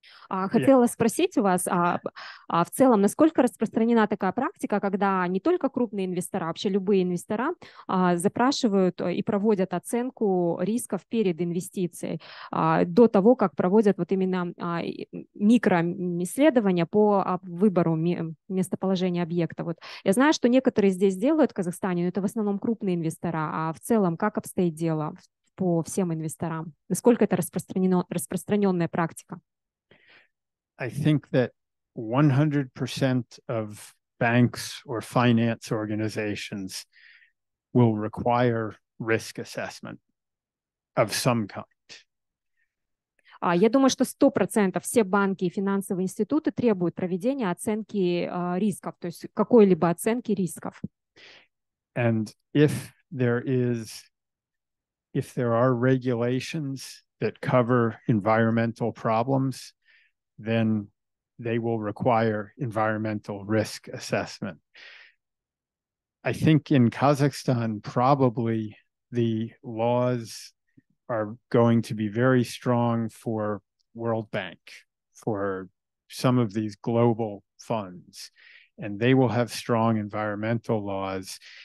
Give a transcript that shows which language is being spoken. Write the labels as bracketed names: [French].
[Russian] Хотела спросить у вас, в целом, насколько распространена такая практика, когда не только крупные инвесторы, а вообще любые инвестора запрашивают и проводят оценку рисков перед инвестицией, до того, как проводят вот именно микроисследования по выбору местоположения объекта. Вот. Я знаю, что некоторые здесь делают в Казахстане, но это в основном крупные инвестора, а в целом как обстоит дело по всем инвесторам? Насколько это распространенная практика? [English] I think that 100% of banks or finance organizations will require risk assessment of some kind. [Russian] Я думаю, что 100% все банки и финансовые институты требуют проведения оценки рисков, то есть какой-либо оценки рисков. [English] And if there are regulations that cover environmental problems, then they will require environmental risk assessment. I think in Kazakhstan, probably the laws are going to be very strong for World Bank, for some of these global funds, and they will have strong environmental laws.